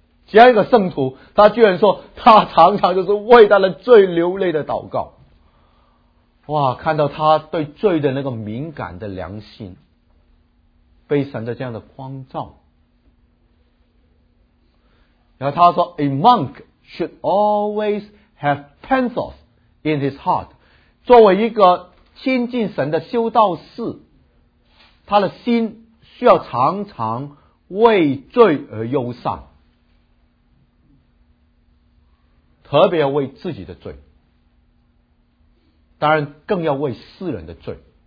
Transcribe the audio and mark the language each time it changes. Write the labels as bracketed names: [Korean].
[Chinese] 这样一个圣徒，他居然说他常常就是为他的罪流泪的祷告。哇，看到他对罪的那个敏感的良心被神的这样的光照。然后他说 [English] A monk should always have pathos in his heart。 [Chinese] 作为一个亲近神的修道士，他的心需要常常为罪而忧伤，特别要为自己的罪，当然更要为世人的罪。